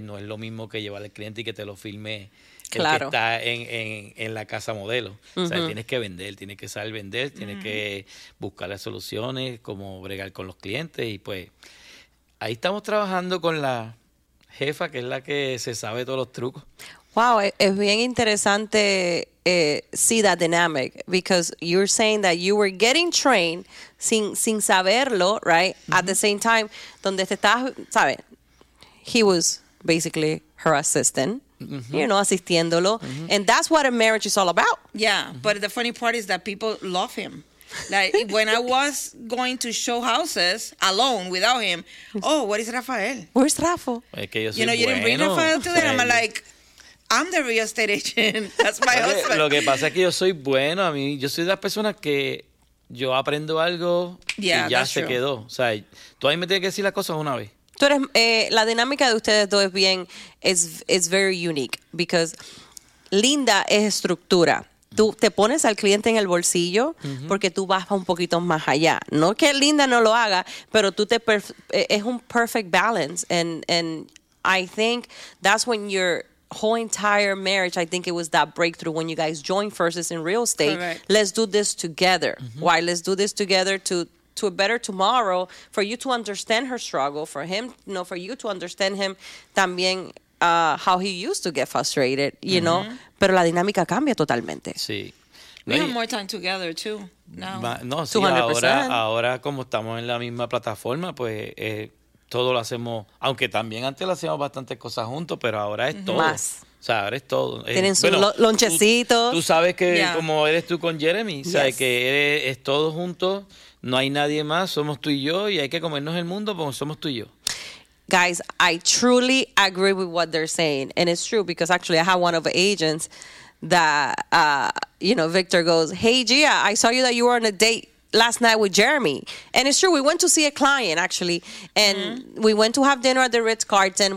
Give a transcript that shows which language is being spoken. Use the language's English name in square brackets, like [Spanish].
[Spanish] No es lo mismo que llevar al cliente y que te lo firme claro. el que está en la casa modelo. Uh-huh. O sea, tienes que saber vender, tienes uh-huh. que buscar las soluciones, cómo bregar con los clientes. Y pues ahí estamos trabajando con la jefa, que es la que se sabe todos los trucos. [English] Wow, [Spanish] es bien interesante [English] see that dynamic because you're saying that you were getting trained [Spanish] sin saberlo, [English] right? [Spanish] Mm-hmm. [English] At the same time, [Spanish] donde te estás, ¿sabes? [English] He was basically her assistant, mm-hmm. you know, [Spanish] asistiéndolo. [English] Mm-hmm. And that's what a marriage is all about. Yeah, mm-hmm. but the funny part is that people love him. Like, when I was going to show houses alone without him, oh, where is Rafael? Where's Rafa? You know, you didn't bring Rafael to them. I'm like, I'm the real estate agent. That's my husband. [Spanish] Lo que pasa es que yo soy bueno. A mí, yo soy de las personas que yo aprendo algo [English] yeah, [Spanish] y ya se [English] true. [Spanish] Quedó. O sea, tú ahí me tienes que decir las cosas una vez. Tú eres, la dinámica de ustedes dos es bien, es [English] very unique. Because [Spanish] Linda es estructura. Tú te pones al cliente en el bolsillo uh-huh. porque tú vas un poquito más allá. No que Linda no lo haga, pero tú te, es un [English] perfect balance. And I think that's when you're whole entire marriage, I think it was that breakthrough when you guys joined forces in real estate. Correct. Let's do this together. Mm-hmm. Why? Let's do this together to a better tomorrow, for you to understand her struggle, for him, you know, for you to understand him también, how he used to get frustrated, you mm-hmm. know. [Spanish] Pero la dinámica cambia totalmente. Sí. [English] We have more time together too now. [Spanish] No, sí, 200%. Ahora como estamos en la misma plataforma, pues todo lo hacemos, aunque también antes lo hacíamos bastantes cosas juntos, pero ahora es todo. Más. O sea, ahora es todo. Tienen sus lonchecitos. Tú sabes que yeah. como eres tú con Jeremy, yes. sabes que es todo junto, no hay nadie más, somos tú y yo, y hay que comernos el mundo porque somos tú y yo. [English] Guys, I truly agree with what they're saying, and it's true, because actually I have one of the agents that, you know, Victor goes, hey, Gia, I saw you that you were on a date last night with Jeremy. And it's true, we went to see a client, actually, and mm-hmm. we went to have dinner at the Ritz-Carlton.